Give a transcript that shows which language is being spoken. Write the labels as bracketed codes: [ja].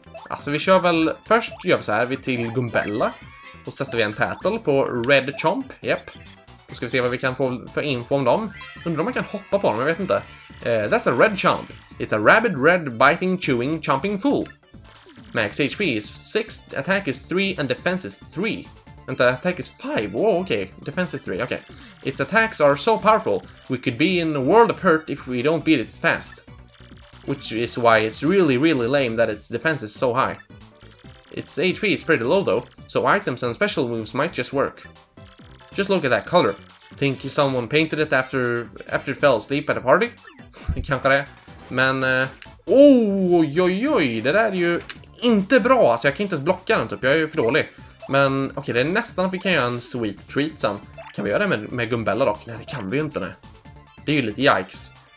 [sv] Alltså, vi kör väl... Först gör vi så här, vi till Gumbella. Och så testar vi en tattle på Red Chomp, yep. Då ska vi se vad vi kan få för info om dem. Undrar om man kan hoppa på dem, jag vet inte. [en] That's a Red Chomp. It's a rabid, red, biting, chewing, chomping fool. Max HP is 6, attack is 3, and defense is 3. [sv] Vänta, [en] attack is 5, whoa, okay. Defense is 3, okay. Its attacks are so powerful, we could be in a world of hurt if we don't beat it fast. Which is why it's really, really lame that its defense is so high. Its HP is pretty low though, so items and special moves might just work. Just look at that color. Think someone painted it after it fell asleep at a party? [sv] Kanske det. Men, oj, det där är ju inte bra. Alltså, jag kan inte ens blocka den typ, jag är ju för dålig. Men, okej, det är nästan att vi kan göra en sweet treat sen. Kan vi göra det med Gumbella dock? Nej, det kan vi ju inte, nej. Det är ju lite yikes.